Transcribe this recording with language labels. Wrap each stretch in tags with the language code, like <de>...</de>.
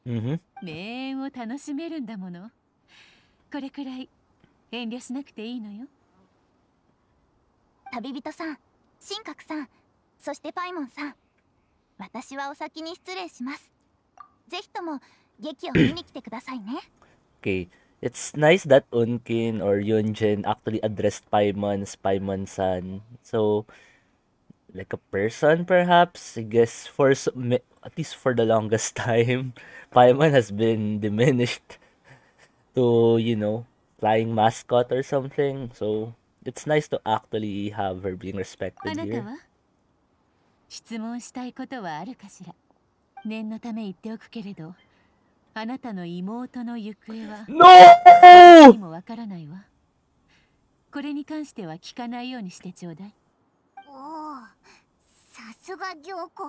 <ja>名演を楽しめるんだもの。これくらい遠慮しなくていいのよ。旅人さん、神格さん、そしてパイモンさん、私はお先に失礼します。ぜひとも劇を見に来てくださいね。</ja> <en>Okay, it's nice that Unkin or Yunjin actually addressed Paimon-san. So, like a person perhaps, I guess for some, at least for the longest time, Paimon has been diminished to, you know, flying mascot or something, so... It's nice to actually have her being respected here.</en> <ja>あなたは質問したいことはあるかしら。念のため言っておくけれど、あなたの妹の行方は</ja> <en>No!</en> <ja>もわからないわ。これに関しては聞かないようにしてちょうだい。おお、さすが行幸。</ja>